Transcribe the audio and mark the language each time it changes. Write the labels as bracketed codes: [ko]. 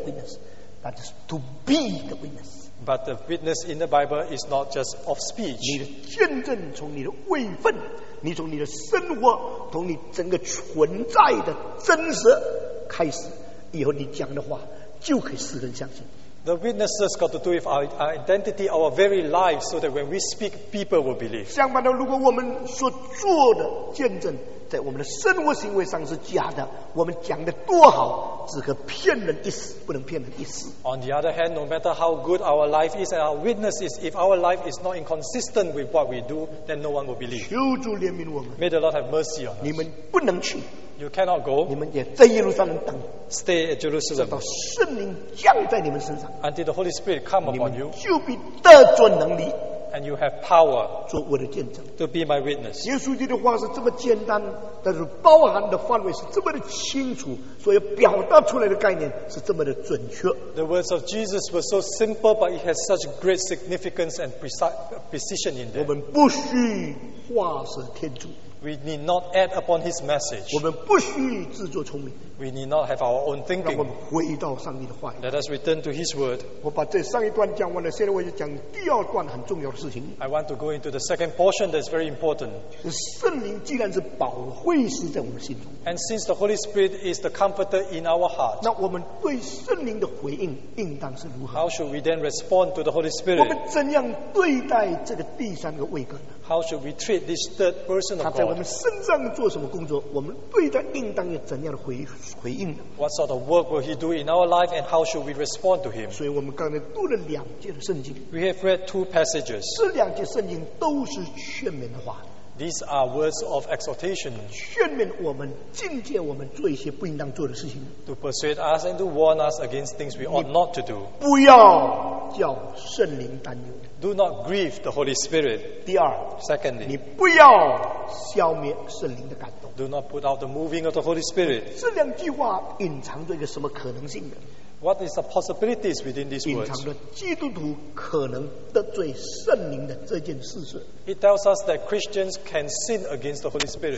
[en] witness, but it's to be the witness. But the witness in the Bible is not just of speech. [zh] 你的见证从你的位分，你从你的生活，从你整个存在的真实开始，以后你讲的话就可以使人相信。 [en] The witnesses got to do with our identity, our very life, so that when we speak, people will believe. [zh] 相反的，如果我们所做的见证在我们的生活行为上是假的，我们讲的多好，只可骗人一时，不能骗人一世。 [en] On the other hand, no matter how good our life is and our witness is, if our life is not inconsistent with what we do, then no one will believe. [zh] 求主怜悯我们。 [en] May the Lord have mercy on us. [zh] 你们不能去。 [en] You cannot go. [zh] 你们也在耶路撒冷等。 [en] Stay at Jerusalem. [zh] 直到圣灵降在你们身上。 [en] Until the Holy Spirit come upon you. [zh] 就必得着能力。 [en] And you have power [zh] 做我的见证 [en] to be my witness. [zh] 耶稣基督的话是这么简单，但是包含的范围是这么的清楚，所以表达出来的概念是这么的准确。 [en] The words of Jesus were so simple, but it has such great significance and precision in them. [zh] 我们不需化身天主。 [en] We need not add upon his message. [zh] 我们不需自作聪明。 [en] We need not have our own thinking. [zh] 让我们回到上帝的话语。 [en] Let us return to his word. [zh] 我把这上一段讲完了，现在我就讲第二段很重要的事情。 [en] I want to go into the second portion that's very important. [zh] 圣灵既然是保惠师在我们心中。 [en] And since the Holy Spirit is the comforter in our heart. [zh] 那我们对圣灵的回应应当是如何？ [en] How should we then respond to the Holy Spirit? [zh] 我们怎样对待这个第三个位格呢？ [en] How should we treat this third person of God? [zh] 他在我们身上做什么工作，我们对他应当有怎样的回应呢？ [en] What sort of work will he do in our life and how should we respond to him? [zh] 所以我们刚才读了两节的圣经。 [en] We have read two passages. [zh] 这两节圣经都是劝勉的话。 [en] These are words of exhortation. [zh] 劝勉我们，警戒我们做一些不应当做的事情。 [en] To persuade us and to warn us against things we ought not to do. [zh] 不要叫圣灵担忧。 [en] Do not grieve the Holy Spirit. [zh] 第二 [en] Secondly, [zh] 你不要消灭圣灵的感动。 [en] Do not put out the moving of the Holy Spirit. [zh] 这两句话隐藏着一个什么可能性的？ [en] What is the possibilities within these words? [zh] 隐藏着基督徒可能得罪圣灵的这件事实。 [en] It tells us that Christians can sin against the Holy Spirit.